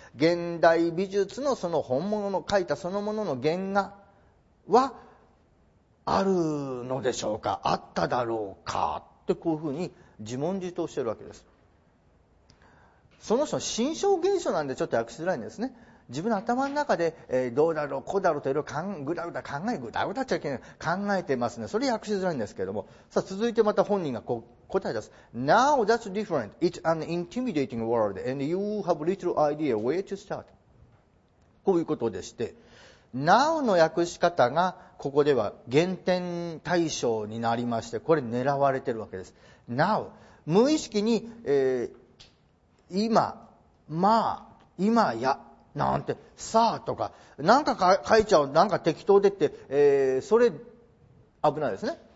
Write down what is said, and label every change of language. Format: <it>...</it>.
<ja>現代美術のその本物の描いたそのものの原画はあるのでしょうか、あっただろうかって、こういうふうに自問自答してるわけです。その人心象現象なんでちょっと訳しづらいんですね。自分の頭の中で、どうだろうこうだろうといろいろぐだぐだ考え、ぐだぐだっちゃいけない、考えてますね。それ訳しづらいんですけども、さあ続いてまた本人がこう答え出す。</ja> <en>Now that's different. It's an intimidating world and you have little idea where to start.</en> <ja>こういうことでして、 Now の訳し方がここでは減点対象になりまして、これ狙われてるわけです。 Now 無意識に、今、まあ、今やなんてさあとかなんか書いちゃう、なんか適当でって、それ危ないですね。</ja>